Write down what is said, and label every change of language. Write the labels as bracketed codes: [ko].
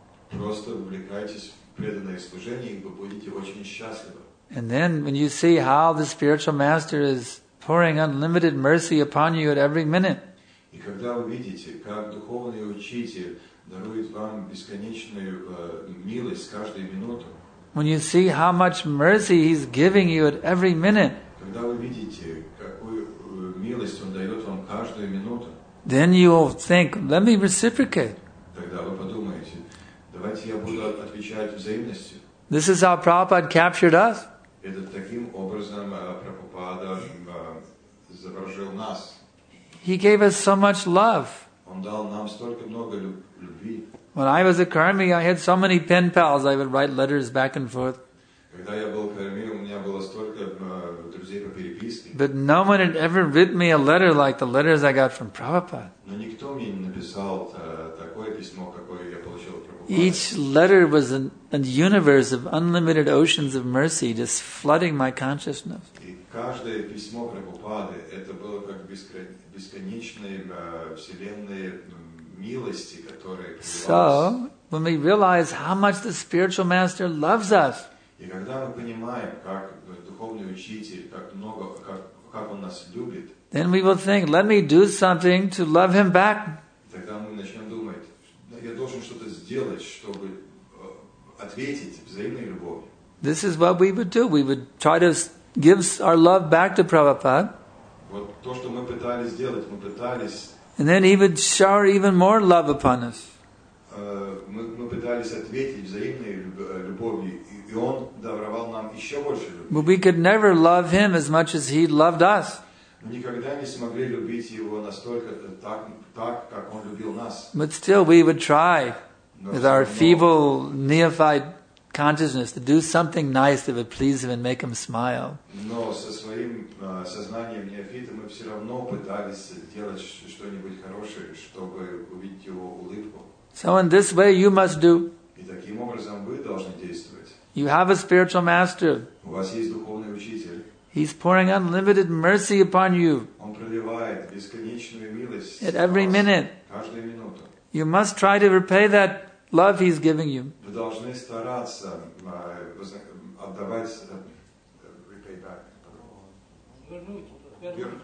[ru] Просто увлекайтесь преданное служение, и вы будете очень счастливы. [en] And then when you see how the spiritual master is pouring unlimited mercy upon you at every minute. [ru] И когда вы видите, как духовный учитель дарует вам бесконечную милость каждую минуту. [en] When you see how much mercy he's giving you at every minute. [ru] Когда вы видите, какую милость он дает вам каждую минуту. [en] Then you will think, let me reciprocate. [ru] Тогда вы подумаете, давайте я буду отвечать взаимностью. [en] This is how Prabhupada captured us. [ru] Это таким образом Прабхупада заворожил нас. [en] He gave us so much love. [ru] Он дал нам столько много любви. [en] When I was a Karmi, I had so many pen pals, I would write letters back and forth. [ru] Когда я был Карми, у меня было столько друзей по переписке. [en] But no one had ever written me a letter like the letters I got from Prabhupada. [ru] Но никто мне не написал такое письмо, какое я получил. [en] Each letter was a universe of unlimited oceans of mercy just flooding my consciousness. [ru] И каждое письмо Прабхупады это было как бесконечные вселенные милости, которые. [en] So when we realize how much the spiritual master loves us. [ru] И когда мы понимаем, как духовный учитель, как много, как он нас любит. [en] Then we will think, let me do something to love him back. [ru] Тогда мы начнем думать. Я должен что-то сделать, чтобы ответить взаимной любовью. [en] This is what we would do. We would try to give our love back to Prabhupada. [ru] Вот то, что мы пытались сделать, мы пытались. [en] And then he would shower even more love upon us. [ru] Мы пытались ответить взаимной любовью, и он даровал нам еще больше любви. [en] But we could never love him as much as he loved us. [ru] Мы никогда не смогли любить его настолько так, как он любил нас. [en] But still we would try with our feeble neophyte consciousness to do something nice that would please him and make him smile. [ru] Но со своим сознанием неофита мы все равно пытались делать что-нибудь хорошее, чтобы увидеть его улыбку. [en] So in this way you must do. [ru] И таким образом вы должны действовать. [en] You have a spiritual master. [ru] У вас есть духовный учитель. [en] He's pouring unlimited mercy upon you. [ru] Он проливает бесконечную милость. [en] At every minute. [ru] Каждую минуту. [en] You must try to repay that love he's giving you. [ru] Вы должны стараться отдавать, [en] repay back.